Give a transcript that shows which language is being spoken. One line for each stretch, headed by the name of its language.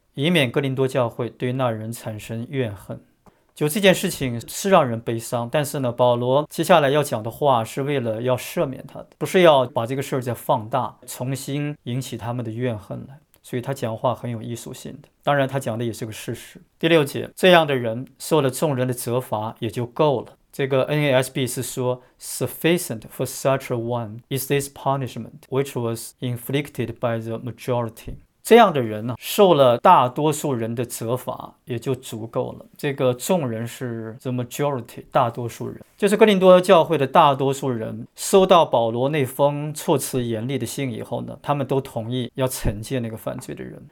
Chinese: 以免哥林多教会对那人产生怨恨。就这件事情是让人悲伤，但是呢，保罗接下来要讲的话是为了要赦免他的，不是要把这个事儿再放大，重新引起他们的怨恨来。所以他讲话很有艺术性的，当然他讲的也是个事实。第六节，这样的人受了众人的责罚也就够了。这个 NASB 是说
English: sufficient for such a one is this punishment which was inflicted by the majority。
Chinese: 这样的人呢，受了大多数人的责罚也就足够了。这个众人是 the majority， 大多数人，就是哥林多教会的大多数人。收到保罗那封措辞严厉的信以后呢，他们都同意要惩戒那个犯罪的人。